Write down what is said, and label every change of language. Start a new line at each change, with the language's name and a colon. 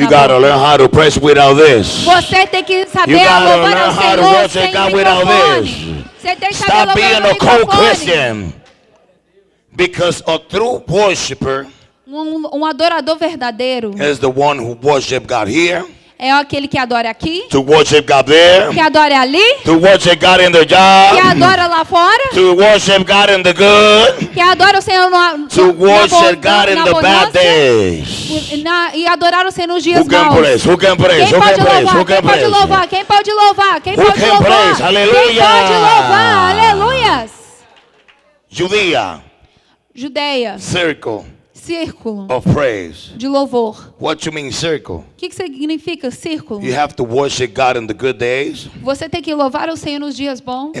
English: You gotta learn how to praise without this.
Portuguese: Você tem que saber a louvar ao Senhor sem
English: worship God without this.
Portuguese: Você tem que saber
English: Stop
Portuguese: louvar
English: being a cold Christian. Because a true worshipper
Portuguese: um adorador verdadeiro
English: is the one who worship God here.
Portuguese: É aquele que adora aqui.
English: To worship God there.
Portuguese: Que adora ali.
English: To worship God in the job.
Portuguese: Que adora lá fora.
English: To worship God in the good.
Portuguese: Que adora o Senhor no
English: To worship God in the bad days.
Portuguese: E adorar o Senhor nos dias maus.
English: Who can praise? Who can praise?
Portuguese: Quem pode louvar? Quem pode louvar? Quem pode louvar? Quem pode louvar?
English: Who can praise? Aleluia.
Portuguese: Quem pode louvar? Aleluias. Judeia. Judeia. Círculo.
English: Of praise.
Portuguese: De louvor.
English: What you mean circle?
Portuguese: Que significa círculo?
English: You have to worship God in the good days.
Portuguese: Você tem que louvar o Senhor nos dias bons.